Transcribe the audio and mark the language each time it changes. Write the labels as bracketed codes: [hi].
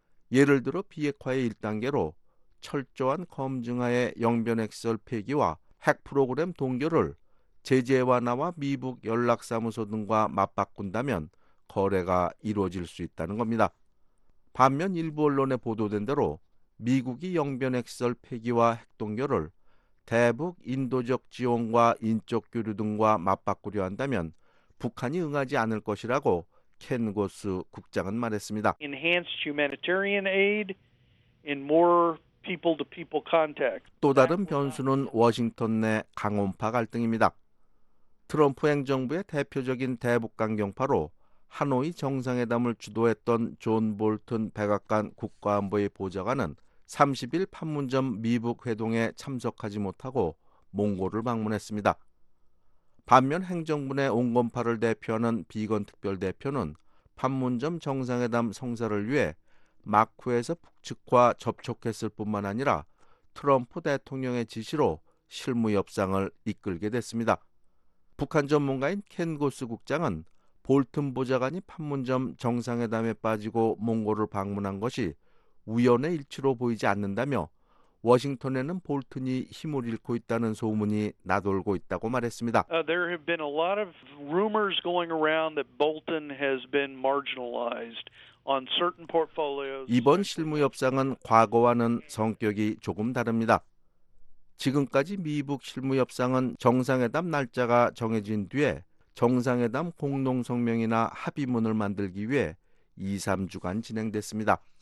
[ko] 예를 들어 비핵화의 1단계로 철저한 검증하에 영변핵설 폐기와 핵 프로그램 동결을 제재 완화와 미북 연락사무소 등과 맞바꾼다면 거래가 이루어질 수 있다는 겁니다. 반면 일부 언론에 보도된 대로 미국이 영변 핵시설 폐기와 핵동결을 대북 인도적 지원과 인적 교류 등과 맞바꾸려 한다면 북한이 응하지 않을 것이라고 켄 고스 국장은 말했습니다. [en] Enhanced humanitarian aid in more people-to-people contact. [ko] 또 다른 변수는 워싱턴 내 강원파 갈등입니다. 트럼프 행정부의 대표적인 대북 강경파로 하노이 정상회담을 주도했던 존 볼튼 백악관 국가안보의 보좌관은 30일 판문점 미북 회동에 참석하지 못하고 몽골을 방문했습니다. 반면 행정부 내 온건파를 대표하는 비건 특별대표는 판문점 정상회담 성사를 위해 마쿠에서 북측과 접촉했을 뿐만 아니라 트럼프 대통령의 지시로 실무협상을 이끌게 됐습니다. 북한 전문가인 켄 고스 국장은 볼튼 보좌관이 판문점 정상회담에 빠지고 몽골을 방문한 것이 우연의 일치로 보이지 않는다며 워싱턴에는 볼튼이 힘을 잃고 있다는 소문이 나돌고 있다고 말했습니다. [en] There have been a lot of rumors going around that Bolton has been marginalized on certain portfolios. [ko] 이번 실무협상은 과거와는 성격이 조금 다릅니다. 지금까지 미북 실무협상은 정상회담 날짜가 정해진 뒤에 정상회담 공동성명이나 합의문을 만들기 위해 2, 3주간 진행됐습니다.